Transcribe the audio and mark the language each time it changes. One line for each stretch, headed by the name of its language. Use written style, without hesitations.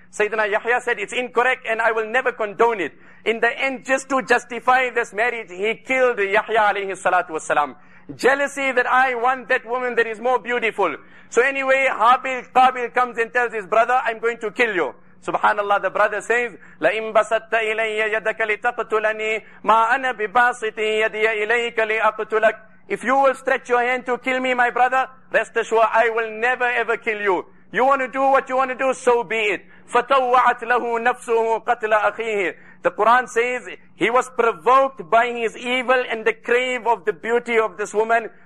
English: Sayyidina Yahya said, it's incorrect and I will never condone it. In the end, just to justify this marriage, he killed Yahya alayhi salatu wasalam. Jealousy that I want that woman that is more beautiful. So anyway, Qabil comes and tells his brother, I'm going to kill you. Subhanallah, the brother says,
Arabic: لَإِن بَسَتَّ إِلَيَّ يَدَكَ لِتَقْتُلَنِي مَا أَنَا بِبَاسِطٍ يَدِيَ إِلَيْكَ لِأَقْتُلَكَ.
English: If you will stretch your hand to kill me, my brother, rest assured, I will never ever kill you. You want to do what you want to do, so be it.
Arabic: فَتَوَّعَتْ لَهُ نَفْسُهُ قَتْلَ أَخِيهِ.
English: The Quran says, he was provoked by his evil and the crave of the beauty of this woman.